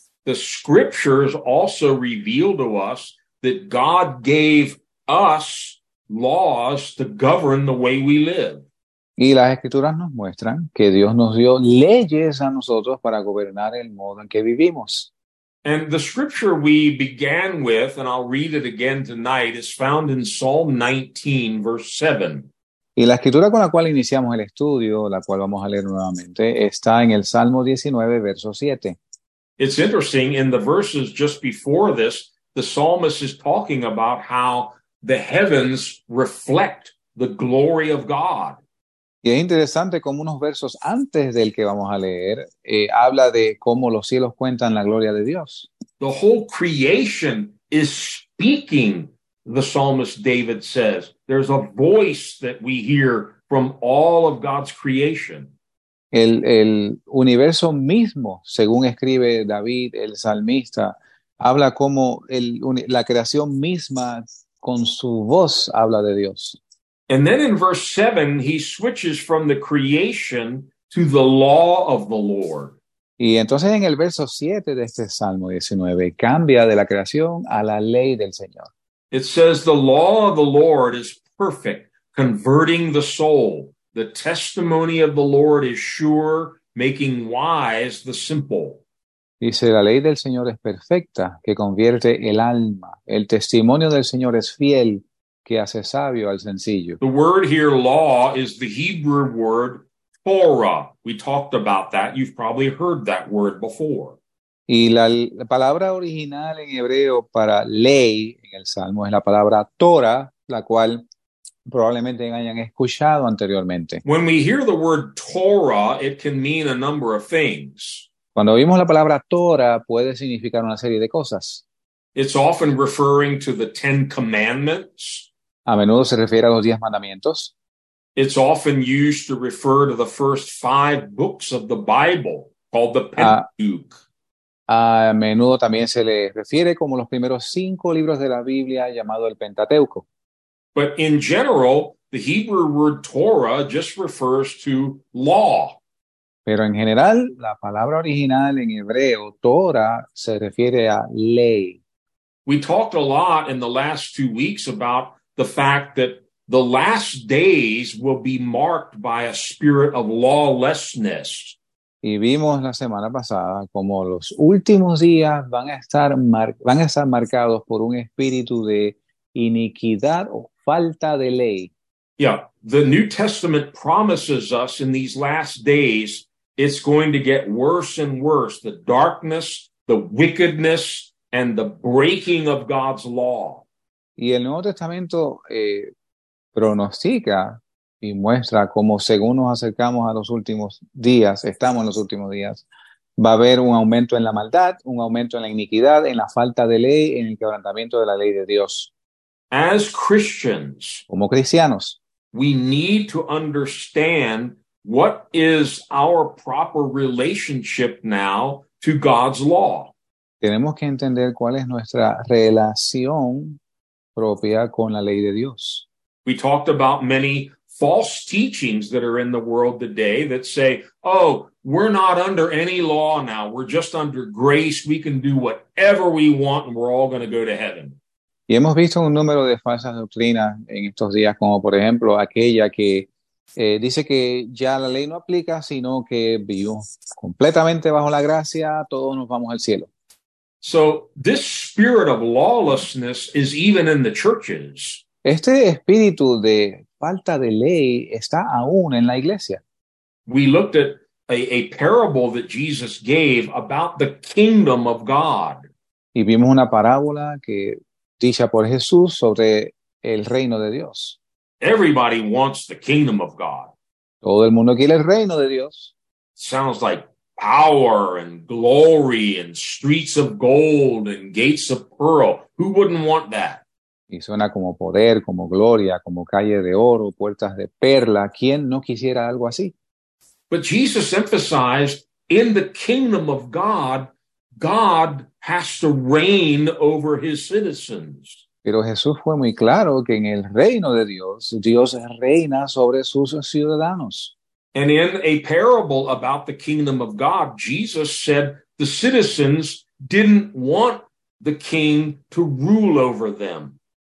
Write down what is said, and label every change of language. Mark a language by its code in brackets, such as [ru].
[en] The scriptures also reveal to us that God gave us laws to govern the way we live. [es] Y las Escrituras nos muestran que Dios nos dio leyes a nosotros para gobernar el modo en que vivimos. [en] And the scripture we began with, and I'll read it again tonight, is found in Psalm 19, verse 7. [es] Y la Escritura con la cual iniciamos el estudio, la cual vamos a leer nuevamente, está en el Salmo 19, verso 7. [en] It's interesting, in the verses just before this, the psalmist is talking about how the heavens reflect the glory of God. [es] Y es interesante cómo unos versos antes del que vamos a leer habla de cómo los cielos cuentan la gloria de Dios. [en] The whole creation is speaking the psalmist David says. There's a voice that we hear from all of God's creation. [es] El universo mismo, según escribe David, el salmista, habla como la creación misma con su voz habla de Dios. [en] And then in verse 7, he switches from the creation to the law of the Lord. [es] Y entonces en el verso 7 de este Salmo 19, cambia de la creación a la ley del Señor. [en] It says, the law of the Lord is perfect, converting the soul. The testimony of the Lord is sure, making wise the simple. [es] Dice, la ley del Señor es perfecta, que convierte el alma. El testimonio del Señor es fiel, que hace sabio al sencillo. [en] The word here, law, is the Hebrew word Torah. We talked about that. You've probably heard that word before. [es] Y la palabra original en hebreo para ley en el Salmo es la palabra Torah, la cual probablemente hayan escuchado anteriormente. [en] When we hear the word Torah, it can mean a number of things. [es] Cuando oímos la palabra Torah, puede significar una serie de cosas. [en] It's often referring to the Ten Commandments. [es] A menudo se refiere a los 10 mandamientos. [en] It's often used to refer to the first 5 books of the Bible, called the Pentateuch. [es] A menudo también se le refiere como los primeros 5 libros de la Biblia, llamado el Pentateuco. [en] But in general, the Hebrew word Torah just refers to law. [es] Pero en general, la palabra original en hebreo, Torah, se refiere a ley. [en] We talked a lot in the last 2 weeks about the fact that the last days will be marked by a spirit of lawlessness. [es] Y vimos la semana pasada como los últimos días van a estar marcados por un espíritu de iniquidad o falta de ley. [en] Yeah, the New Testament promises us in these last days it's going to get worse and worse. The darkness, the wickedness, and the breaking of God's law. [es] Y el Nuevo Testamento pronostica y muestra cómo según nos acercamos a los últimos días, estamos en los últimos días, va a haber un aumento en la maldad, un aumento en la iniquidad, en la falta de ley, en el quebrantamiento de la ley de Dios. [en] As Christians, [es] como cristianos, [en] we need to understand what is our proper relationship now to God's law. [es] Tenemos que entender cuál es nuestra relación propia con la ley de Dios. [en] We talked about many false teachings that are in the world today that say, oh, we're not under any law now. We're just under grace. We can do whatever we want and we're all going to go to heaven. [es] Y hemos visto un número de falsas doctrinas en estos días, como por ejemplo aquella que dice que ya la ley no aplica, sino que vivimos completamente bajo la gracia, todos nos vamos al cielo. [en] So this spirit of lawlessness is even in the churches. [es] Este espíritu de falta de ley está aún en la iglesia. [en] We looked at a parable that Jesus gave about the kingdom of God. [es] Y vimos una parábola que dicha por Jesús sobre el reino de Dios. [en] Everybody wants the kingdom of God. [es] Todo el mundo quiere el reino de Dios. [en] Sounds like power and glory and streets of gold and gates of pearl. Who wouldn't want that? [es] Y suena como poder, como gloria, como calle de oro, puertas de perla. ¿Quién no quisiera algo así? [en] But Jesus emphasized, in the kingdom of God, God has to reign over his citizens. [es] Pero Jesús fue muy claro que en el reino de Dios, Dios reina sobre sus ciudadanos. [en] And in a parable about the kingdom of God, Jesus said the citizens didn't want the king to rule over them.